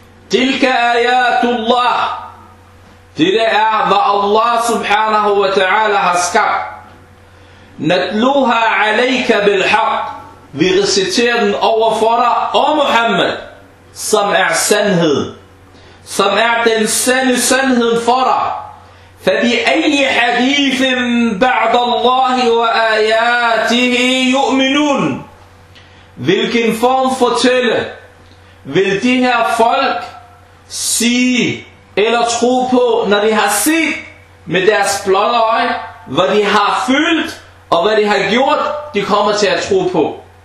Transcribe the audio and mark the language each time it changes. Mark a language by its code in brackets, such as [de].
[ar] تِلْكَ آيَاتُ اللَّهِ [da] Det er, hvad Allah subhanahu wa ta'ala har skabt. [ar] Natluha alayka bilhaq. [da] Vi reciterer den over for dig, og Muhammad. som er sandhed, som er den sande sandhed for dig. [ar] فبأي حديث بعد الله وآياته يؤمنون. [da] Hvilken form fortælle vil de her folk sige eller tro på, når de har set med deres blotte øje, hvad de har følt og hvad de har gjort, de kommer til at tro på.